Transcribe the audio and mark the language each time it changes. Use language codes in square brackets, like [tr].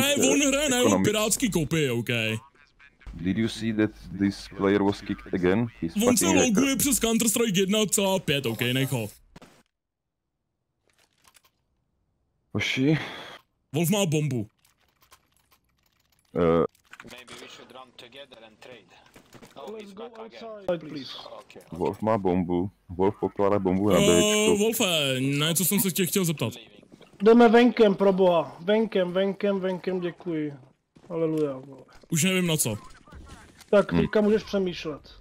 [cs] on hraje na jeho pirátský kopii, okej. [en] Okay. Did you see that this player was kicked again? He's [cs] on se loguje hacker. Přes Counter-Strike 1.5, okej, okay, nech ho. Hoši? Wolf má bombu. [en] Maybe we should run together and trade. Oh, let's go outside, please. Okay. [cs] Wolf má bombu. Wolf pokládá bombu na Bčko. Wolfe, na co jsem se tě chtěl zeptat. Jdeme venkem, proboha. Venkem, děkuji. Aleluja, vole. Už nevím na co. Tak, teďka můžeš přemýšlet.